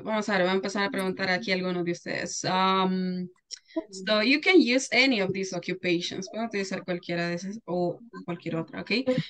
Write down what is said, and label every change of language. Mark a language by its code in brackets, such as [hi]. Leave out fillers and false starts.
[es] Vamos a ver, voy a empezar a preguntar aquí a algunos de ustedes. [en] So you can use any of these occupations. [es] Puedo utilizar cualquiera de esas o cualquier otra, okay?